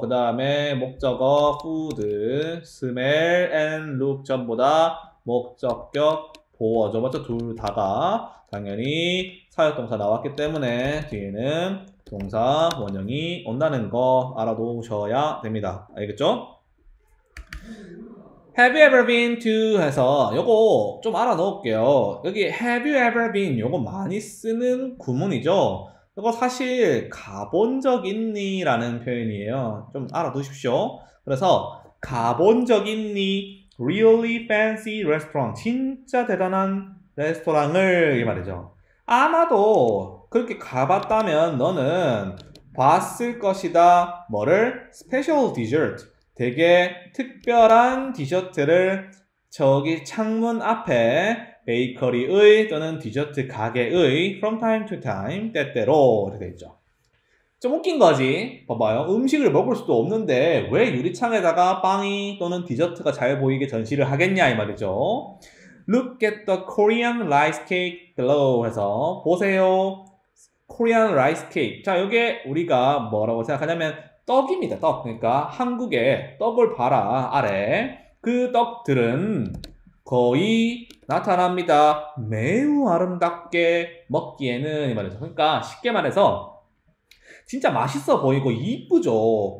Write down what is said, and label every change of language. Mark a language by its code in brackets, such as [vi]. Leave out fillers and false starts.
[ko] 그 다음에 목적어, food, smell, and look 전부 다 목적격 보어죠. 맞죠? 둘 다가 당연히 사역 동사 나왔기 때문에 뒤에는 동사 원형이 온다는 거 알아두셔야 됩니다. 알겠죠? [en] Have you ever been to 해서 요거 좀 알아놓을게요. [ko] 여기 Have you ever been 요거 많이 쓰는 구문이죠. 요거 사실 가본 적 있니? 라는 표현이에요. 좀 알아두십시오. 그래서 가본 적 있니? Really fancy restaurant 진짜 대단한 레스토랑을 이 말이죠. 아마도 그렇게 가봤다면 너는 봤을 것이다. [en] 뭐를? Special dessert. [ko] 되게 특별한 디저트를 저기 창문 앞에 베이커리의 또는 디저트 가게의 from time to time 때때로 이렇게 돼 있죠. 좀 웃긴 거지. 봐봐요. 음식을 먹을 수도 없는데 왜 유리창에다가 빵이 또는 디저트가 잘 보이게 전시를 하겠냐 이 말이죠. [en] Look at the Korean rice cake below 해서 보세요. Korean rice cake. [ko] 자, 이게 우리가 뭐라고 생각하냐면 떡입니다. 떡. 그러니까 한국의 떡을 봐라. 아래 그 떡들은 거의 나타납니다. 매우 아름답게 먹기에는 이 말이죠. 그러니까 쉽게 말해서 진짜 맛있어 보이고 이쁘죠.